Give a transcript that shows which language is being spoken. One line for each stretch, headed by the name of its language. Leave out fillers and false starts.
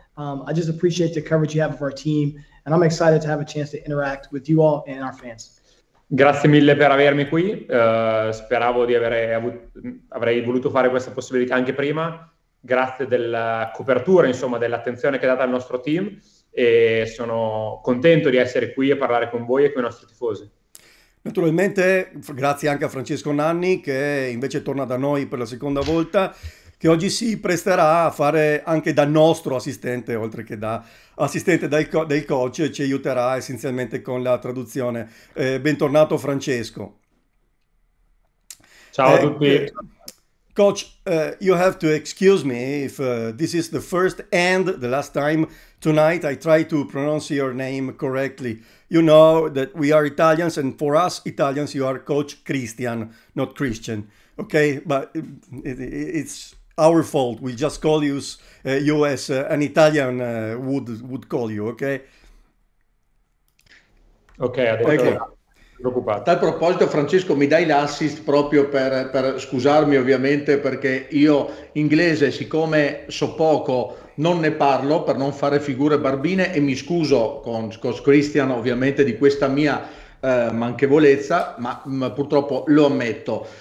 English: I just appreciate the coverage you have of our team, and I'm excited to have a chance to interact with you all and our fans.
Italian: Grazie mille per avermi qui. Speravo di avrei voluto fare questa possibilità anche prima. Grazie della copertura, insomma, dell'attenzione che è data al nostro team. E sono contento di essere qui a parlare con voi e con i nostri tifosi. Naturalmente, grazie anche a Francesco Nanni, che invece torna da noi per la seconda volta, che oggi si presterà a fare anche da nostro assistente, oltre che da assistente del coach, e ci aiuterà essenzialmente con la traduzione. Bentornato Francesco. Ciao a tutti.
English: Coach, you have to excuse me if this is the first and the last time tonight I try to pronounce your name correctly. You know that we are Italians, and for us Italians, you are Coach Christian, not Christian. Okay, but it's our fault. We just call you as an Italian would call you. Okay.
Italian: Ok, ha detto
English: Okay.
Italian: preoccupato. A tal proposito, Francesco, mi dai l'assist proprio per scusarmi, ovviamente, perché io inglese, siccome so poco, non ne parlo per non fare figure barbine e mi scuso con Christian, ovviamente, di questa mia manchevolezza, ma purtroppo lo ammetto.